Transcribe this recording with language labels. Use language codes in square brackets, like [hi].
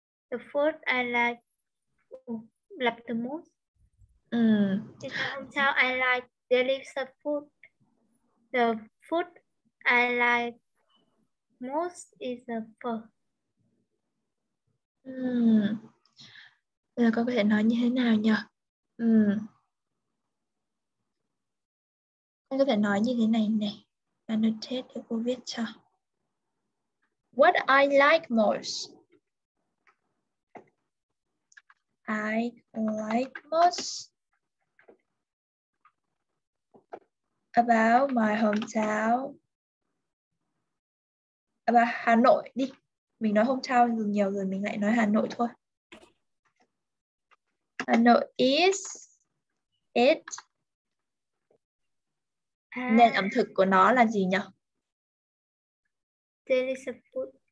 [en] The food I like love the most. In my hometown, I like delicious food. The food I like most is the pho. [vi] Bây giờ con có thể nói như thế nào nhỉ? Con có thể nói như thế này này. [en] Annotate [vi] để cô viết cho. [en] What I like most. I like most about my hometown, about Hà Nội đi. [vi] Mình nói hometown dùng nhiều rồi, mình lại nói Hà Nội thôi. [en] Hà Nội is it. [vi] Nền ẩm thực của nó là gì nhỉ? [en] Delicious food.